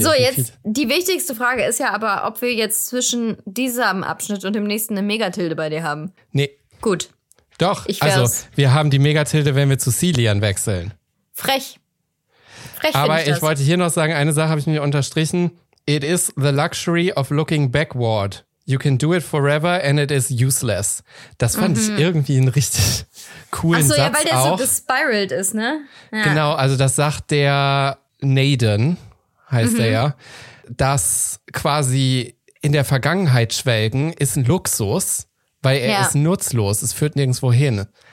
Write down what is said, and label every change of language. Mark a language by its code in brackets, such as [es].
[de] So, jetzt die wichtigste Frage ist ja aber, ob wir jetzt zwischen diesem Abschnitt und dem nächsten eine Megatilde bei dir haben. Nee. Gut. Doch, also wir haben die Megatilde, wenn wir zu Cilian wechseln. Frech. Aber ich das. Wollte hier noch sagen, eine Sache habe ich mir unterstrichen. [en] It is the luxury of looking backward. You can do it forever and it is useless. [de] Das fand ich irgendwie einen richtig coolen Satz auch. Ach so, ja, weil der so gespiralt ist, ne? Ja. Genau, also das sagt der Naden, heißt er ja, dass quasi in der Vergangenheit schwelgen ist ein Luxus, weil er ist nutzlos, es führt nirgendwo hin.